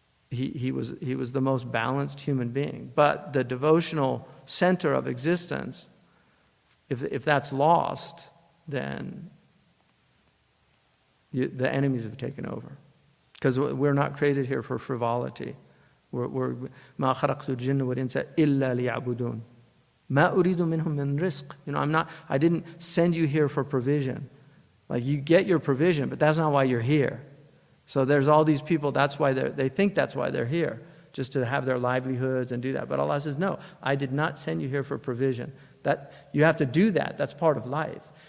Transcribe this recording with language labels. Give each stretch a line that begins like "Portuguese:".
English: He was the most balanced human being. But the devotional center of existence, if that's lost, then the enemies have taken over. Because we're not created here for frivolity.
Arabic: We're ما خلقت الجن والإنس إلا ليعبدون ما أريد منهم من رزق.
English: You know, I didn't send you here for provision. Like, you get your provision, but that's not why you're here. So there's all these people, that's why they think that's why they're here, just to have their livelihoods and do that. But Allah says, no, I did not send you here for provision. That you have to do that. That's part of life.